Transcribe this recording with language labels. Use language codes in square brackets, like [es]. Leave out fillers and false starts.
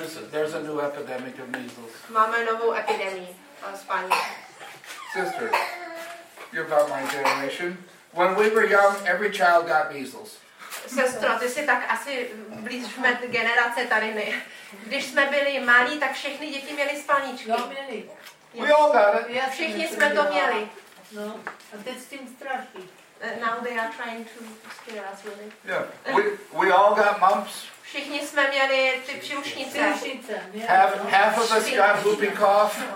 [en] There's a new epidemic of measles. [cs] Máme novou epidemii spaniček. [en] Sister, you're about my generation. When we were young, every child got measles. [cs] Sestro, ty jsi tak asi blíž mé generace tady my. Když jsme byli malí, tak všechny děti měly spaničky. No, [en] we all got it. [cs] Všichni jsme to měli. No, a teď s tím strachy. [en] now they are trying to scare us with it. Yeah, we all got mumps. [cs] Všichni jsme měli ty příušnice. [en] Half of us got whooping cough.